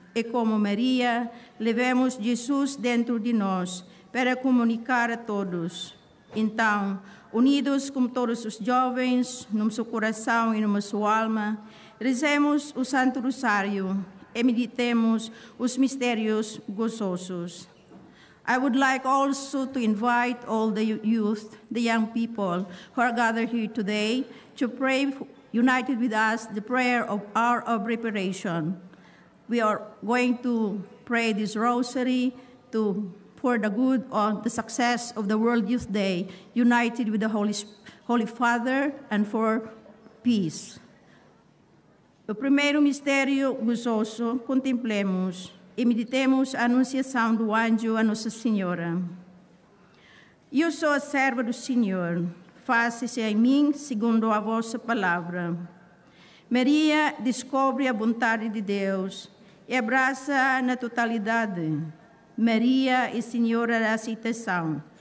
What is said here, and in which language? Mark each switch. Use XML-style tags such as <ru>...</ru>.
<pt>E como Maria, levemos Jesus dentro de nós para comunicar a todos. Então, unidos com todos os jovens, no seu coração e numa sua alma, rezemos o Santo Rosário e meditemos os mistérios gozosos.</pt> <en>I would like also to invite all the youth, the young people who are gathered here today, to pray united with us the prayer of Hour of Reparation. We are going to pray this rosary to pour the good on the success of the World Youth Day, united with the Holy Father and for peace.</en> <pt>O primeiro mistério gozoso, contemplemos e meditemos a anunciação do anjo a Nossa Senhora. Eu sou a serva do Senhor, faça-se em mim segundo a vossa palavra. Maria descobre a vontade de Deus e abraça na totalidade. Maria e Senhora da Aceitação,</pt>